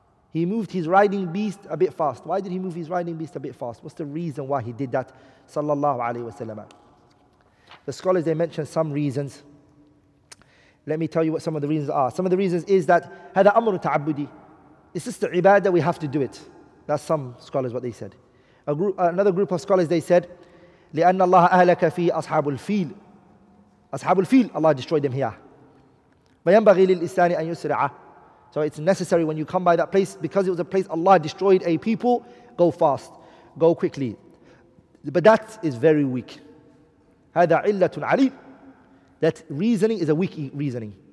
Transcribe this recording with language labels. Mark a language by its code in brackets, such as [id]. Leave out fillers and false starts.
[en] He moved his riding beast a bit fast. Why did he move his riding beast a bit fast? What's the reason why he did that? Sallallahu alayhi wa sallam. The scholars, they mention some reasons. Let me tell you what some of the reasons are. Some of the reasons is that [ar] هذا أمر تعبدي. [en] This is the ibadah, we have to do it. That's some scholars what they said. Another group of scholars, they said [ar] لأن الله أهلك في أصحاب الفيل. أصحاب الفيل, [en] Allah destroyed them here. [ar] فينبغي للإنسان أن يسرع. [en] So it's necessary when you come by that place, because it was a place Allah destroyed a people, go fast, go quickly. But that is very weak. [ar] هذا علة علي. [en] That reasoning is a weak reasoning.